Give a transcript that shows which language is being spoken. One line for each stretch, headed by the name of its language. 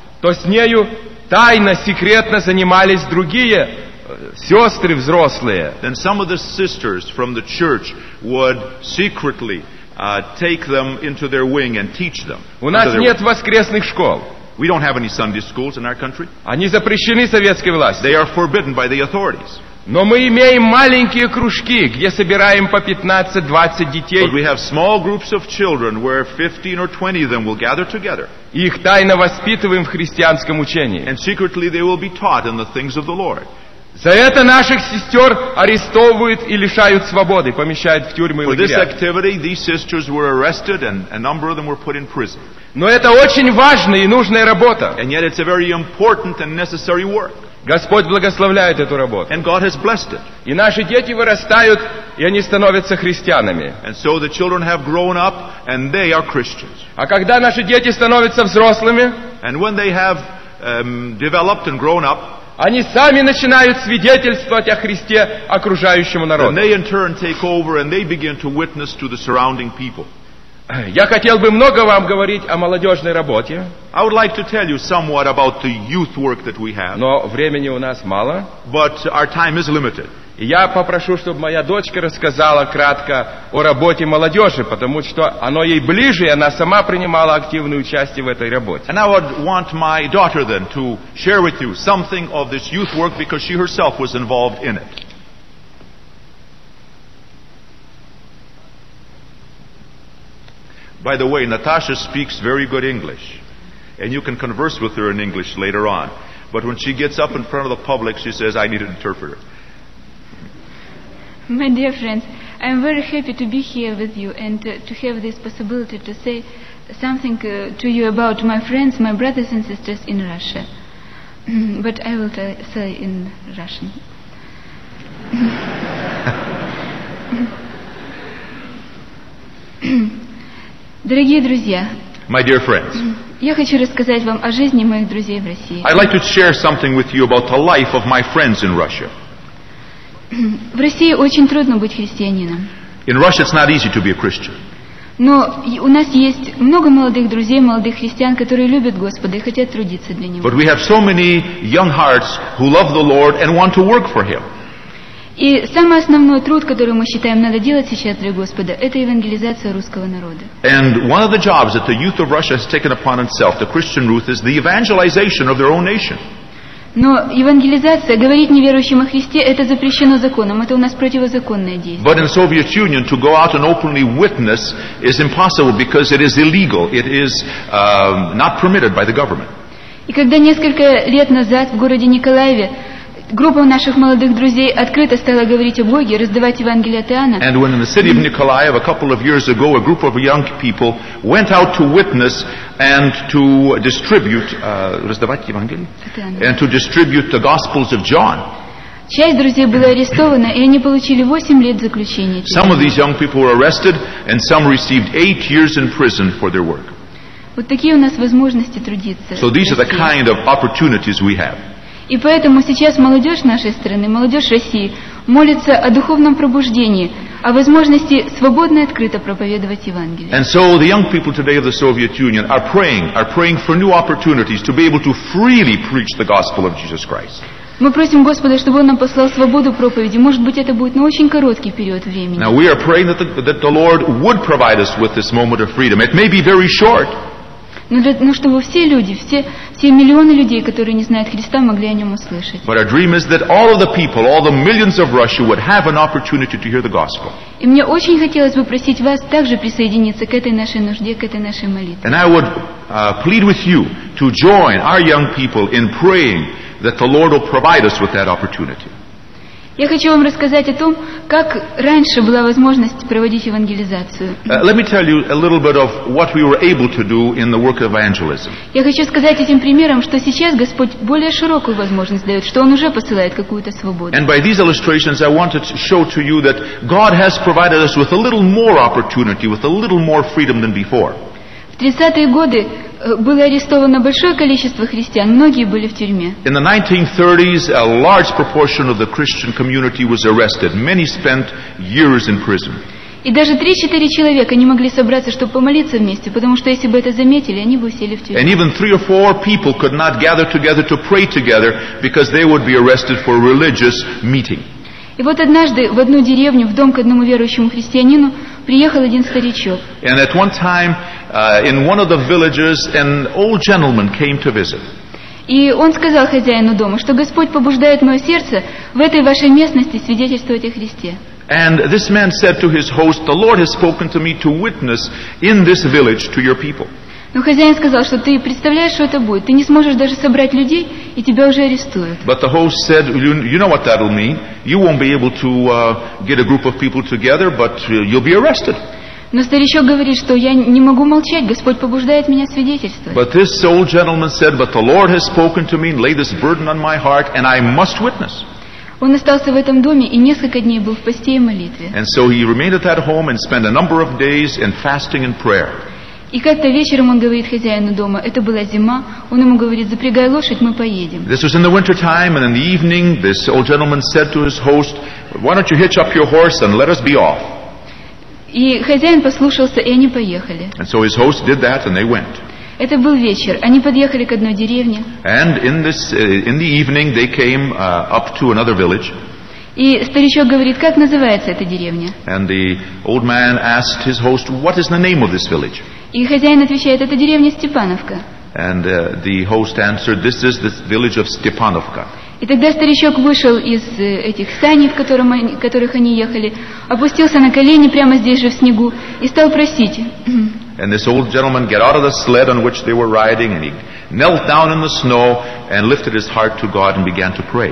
Russian: то с нею тайно, секретно занимались другие сестры взрослые.
English: Then some of the sisters from the church would secretly take them into their wing and teach them.
Russian: У нас нет воскресных школ.
English: We don't have any Sunday schools in our country.
Russian: Они запрещены советской властью.
English: They are forbidden by the authorities.
Russian: Но мы имеем маленькие кружки, где собираем по 15-20 детей.
English: But we have small groups of children where 15 or 20 of them will gather together.
Russian: И их тайно воспитываем в христианском учении.
English: And secretly they will be taught in the things of the Lord.
Russian: За это наших сестер арестовывают и лишают свободы, помещают в тюрьмы и лагеря.
English: For this activity, these sisters were arrested and a number of them were put in prison.
Russian: Но это очень важная и нужная работа.
English: And yet it's a very important and necessary work.
Russian: Господь благословляет эту работу.
English: And God has blessed it.
Russian: И наши дети вырастают, и они становятся христианами.
English: And so the children have grown up, and they are Christians.
Russian: А когда наши дети становятся взрослыми,
English: and when they have developed and grown up,
Russian: они сами начинают свидетельствовать о Христе окружающему народу.
English: And they in turn take over, and they begin to witness to the surrounding people.
Russian: Я хотел бы много вам говорить о молодежной работе.
English: I would like to tell you somewhat about the youth work that we have.
Russian: Но времени у нас мало.
English: But our time is limited.
Russian: Я попрошу, чтобы моя дочка рассказала кратко о работе молодежи, потому что оно ей ближе, и она сама принимала активное участие в этой работе.
English: And I would want my daughter then to share with you something of this youth work because she herself was involved in it. By the way, Natasha speaks very good English, and you can converse with her in English later on. But when she gets up in front of the public, she says, I need an interpreter. My dear friends, I am very happy to be here with you and to have this possibility to say something to you about my friends, my brothers and sisters in Russia. But I will say in Russian.
Russian: Дорогие друзья,
English: my dear friends,
Russian: я хочу рассказать вам о жизни моих друзей в России.
English: I'd like to share something with you about the life of my friends in Russia.
Russian: В России очень трудно быть христианином.
English: In Russia it's not easy to be a Christian.
Russian: Но у нас есть много молодых друзей, молодых христиан, которые любят Господа и хотят трудиться для Него.
English: But we have so many young hearts who love the Lord and want to work for Him.
Russian: И самый основной труд, который мы считаем надо делать сейчас для Господа, это евангелизация русского народа.
English: And one of the jobs that the youth of Russia has taken upon itself, the Christian youth, is the evangelization of their own nation.
Russian: Но евангелизация, говорить неверующим о Христе, это запрещено законом, это у нас противозаконное действие.
English: But in the Soviet Union, to go out and openly witness is impossible because it is illegal. It is not permitted by the government.
Russian: И когда несколько лет назад в городе Николаеве группа наших молодых друзей открыто стала говорить о Боге, раздавать Евангелие от Иоанна.
English: And when in the city of Nikolaev a couple of years ago, a group of young people went out to witness and to distribute
Russian: раздавать Евангелие,
English: and to distribute the Gospels of John.
Russian: Часть друзей была арестована, и они получили 8 лет заключения.
English: Some of these young people were arrested, and some received 8 years in prison for their work.
Russian: Вот такие у нас возможности трудиться.
English: So these are the kind of opportunities we have.
Russian: И поэтому сейчас молодежь нашей страны, молодежь России, молится о духовном пробуждении, о возможности свободно и открыто проповедовать Евангелие.
English: And so the young people today of the Soviet Union are praying for new opportunities to be able to freely preach the gospel of Jesus Christ.
Russian: Мы просим Господа, чтобы Он нам послал свободу проповеди. Может быть, это будет на очень короткий период времени.
English: Now we are praying that the Lord would provide us with this moment of freedom. It may be very short.
Russian: Но чтобы все люди, все миллионы людей, которые не знают Христа, могли о Нем услышать.
English: But our dream is that all of the people, all the millions of Russia would have an opportunity to hear the gospel.
Russian: И мне очень хотелось бы просить вас также присоединиться к этой нашей нужде, к этой нашей молитве.
English: And I would plead with you to join our young people in praying that the Lord will provide us with that opportunity.
Russian: Я хочу вам рассказать о том, как раньше была возможность проводить евангелизацию.
English: Let me tell you a little bit of what we were able to do in the work of evangelism.
Russian: Я хочу сказать этим примером, что сейчас Господь более широкую возможность дает, что Он уже посылает какую-то свободу.
English: And by these illustrations, I wanted to show to you that God has provided us with a little more opportunity, with a little more freedom than before.
Russian: В 30-е годы было арестовано большое количество христиан, многие были в тюрьме.
English: In the 1930s, a large proportion of the Christian community was arrested. Many spent years in prison.
Russian: И даже 3-4 человека не могли собраться, чтобы помолиться вместе, потому что если бы это заметили, они бы усели в тюрьму.
English: And even 3 or 4 people could not gather together to pray together because they would be arrested for a religious meeting.
Russian: И вот однажды в одну деревню, в дом к одному верующему христианину, приехал один старичок.
English: And at one time, in one of the villages, an old gentleman came to visit.
Russian: И он сказал хозяину дома, что Господь побуждает мое сердце в этой вашей местности свидетельствовать о Христе.
English: And this man said to his host, "The Lord has spoken to me to witness in this village to your people."
Russian: Но хозяин сказал, что ты представляешь, что это будет? Ты не сможешь даже собрать людей, и тебя уже арестуют.
English: But the host said, "You know what that'll mean? You won't be able to get a group of people together, but you'll be arrested."
Russian: Но старичок говорит, что я не могу молчать, Господь побуждает меня свидетельствовать.
English: But this old gentleman said, "But the Lord has spoken to me and laid this burden on my heart, and I must witness."
Russian: Он остался в этом доме и несколько дней был в посте и молитве.
English: And so he remained at that home and spent a number of days in fasting and prayer.
Russian: И как-то вечером он говорит хозяину дома, это была зима, он ему говорит, запрягай лошадь, мы поедем.
English: This was in the winter time, and in the evening, this old gentleman said to his host, "Why don't you hitch up your horse and let us be off?"
Russian: И хозяин послушался, и они поехали.
English: And so his host did that, and they went.
Russian: Это был вечер. Они подъехали к одной деревне.
English: And in the evening, they came up to another village.
Russian: И старичок говорит, как называется эта деревня?
English: And the old man asked his host, "What is the name of this village?"
Russian: И хозяин отвечает, это деревня Степановка.
English: And the host answered, "This is the village of Stepanovka."
Russian: И тогда старичок вышел из этих саней, в которых они ехали, опустился на колени прямо здесь же в снегу и стал просить.
English: And this old gentleman got out of the sled on which they were riding, and he knelt down in the snow and lifted his heart to God and began to pray.